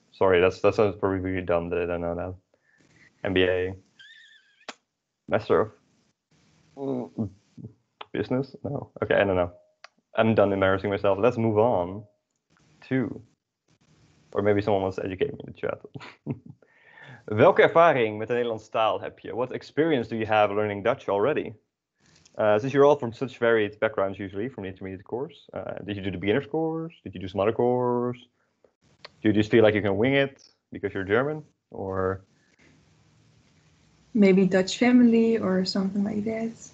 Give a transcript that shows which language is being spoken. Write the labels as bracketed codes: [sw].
[en] Sorry, that sounds probably really dumb that I don't know that. MBA. Master of business? No. Okay, I don't know. I'm done embarrassing myself. Let's move on to... Or maybe someone wants to educate me in the chat. [nl] Welke ervaring met de Nederlandse taal heb je? [en] What experience do you have learning Dutch already? Since you're all from such varied backgrounds usually, from the intermediate course, did you do the beginner's course? Did you do some other course? Do you just feel like you can wing it because you're German? Or maybe Dutch family or something like that?